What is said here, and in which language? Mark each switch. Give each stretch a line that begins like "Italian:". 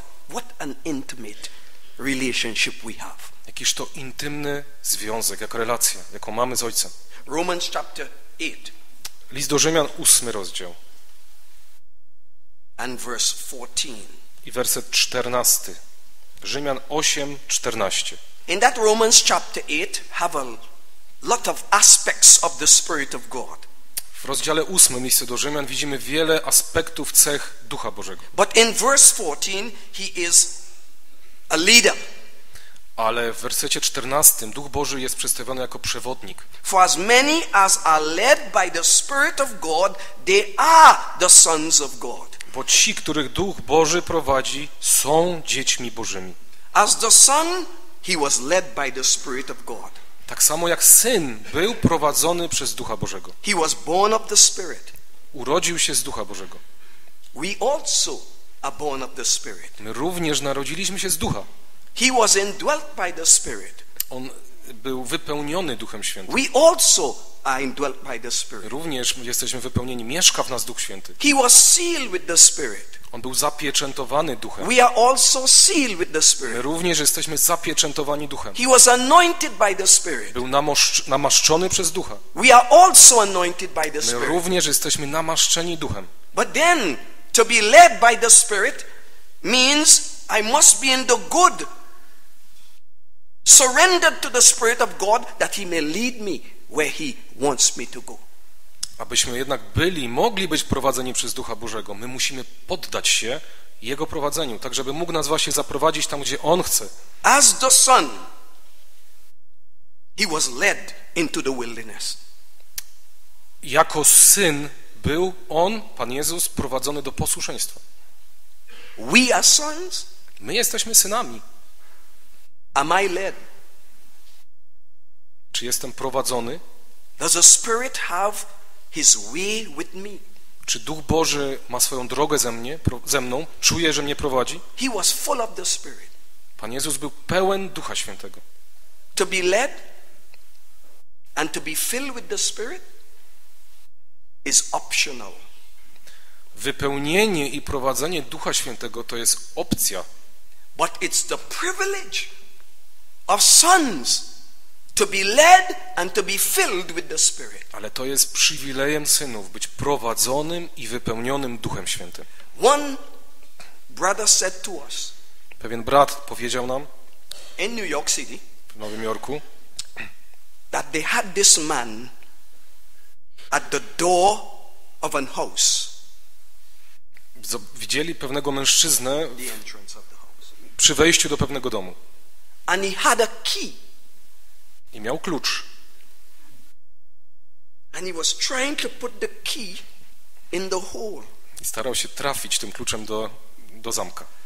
English: What an intimate relationship we have.
Polish: jakiś to intymny związek, jako relację, jaką mamy z Ojcem.
English: Romans chapter 8.
Polish: List do Rzymian, 8 rozdział.
English: And verse 14.
Polish: I werset 14. Rzymian 8, 14.
English: In that Romans chapter 8 have a lot of aspects of the Spirit of God.
Polish: W rozdziale 8 listu do Rzymian widzimy wiele aspektów cech Ducha Bożego.
English: But in verse 14 he is a leader.
Polish: Ale w wersecie 14 Duch Boży jest przedstawiony jako przewodnik.
English: For as many as are led by the Spirit of God, they are the sons of God.
Polish: Bo ci, których Duch Boży prowadzi, są dziećmi Bożymi.
English: As the son, he was led by the Spirit of God.
Polish: Tak samo jak syn był prowadzony przez Ducha Bożego.
English: He was born of the Spirit.
Polish: Urodził się z Ducha Bożego.
English: We also are born of the Spirit.
Polish: My również narodziliśmy się z Ducha.
English: He was indwelt by the Spirit.
Polish: On był wypełniony Duchem Świętym.
English: We also are indwelt by the Spirit.
Polish: Również jesteśmy wypełnieni, mieszka w nas Duch Święty.
English: He was sealed with the Spirit.
Polish: On był zapieczętowany Duchem.
English: We are also sealed with the Spirit.
Polish: My również jesteśmy zapieczętowani Duchem.
English: He was anointed by the Spirit.
Polish: Był namaszczony przez Ducha.
English: We are also anointed by the Spirit.
Polish: My również jesteśmy namaszczeni Duchem.
English: But then to be led by the Spirit means I must be in the good, surrendered to the Spirit of God, that He may lead me where He wants me to go.
Polish: Abyśmy jednak byli, mogli być prowadzeni przez Ducha Bożego, my musimy poddać się Jego prowadzeniu, tak żeby mógł nas właśnie zaprowadzić tam, gdzie On chce.
English: As the Son, He was led into the wilderness.
Polish: Jako Syn był On, Pan Jezus, prowadzony do posłuszeństwa.
English: We are sons.
Polish: My jesteśmy synami.
English: Am I led?
Polish: Czy jestem prowadzony?
English: Does the Spirit have His way with me?
Polish: Czy Duch Boży ma swoją drogę ze mną? Czuję, że mnie prowadzi?
English: He was full of the Spirit.
Polish: Pan Jezus był pełen Ducha Świętego.
English: To be led and to be filled with the Spirit is optional.
Polish: Wypełnienie i prowadzenie Ducha Świętego to jest opcja.
English: But it's the privilege of sons to be led and to be filled with the Spirit.
Polish: Ale to jest przywilejem synów, być prowadzonym i wypełnionym Duchem Świętym.
English: One brother said to us.
Polish: Pewien brat powiedział nam.
English: In New York City.
Polish: W Nowym Jorku.
English: That they had this man at the door of an house.
Polish: Widzieli pewnego mężczyznę przy wejściu do pewnego domu.
English: And he had a key.
Polish: I miał klucz.
English: And he was trying to put the key in the hole.
Polish: I starał się trafić tym kluczem do zamka.